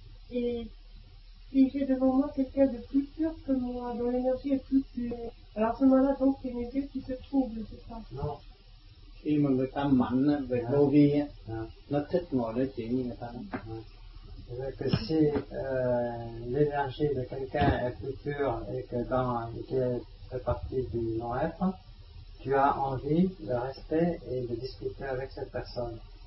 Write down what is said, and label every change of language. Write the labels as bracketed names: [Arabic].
[French] Et si j'ai devant moi quelqu'un de plus pur que moi, dont l'énergie est plus pure, alors à ce moment-là, donc, c'est mes yeux qui se troublent, c'est ça? Non. [Vietnamese] Khi mà người ta mạnh về vô vi, nó thích ngồi nói chuyện với người ta. [French] C'est-à-dire que si l'énergie de quelqu'un est plus pure et que dans lequel fait partie du non-être, tu as envie de rester et de discuter avec cette personne.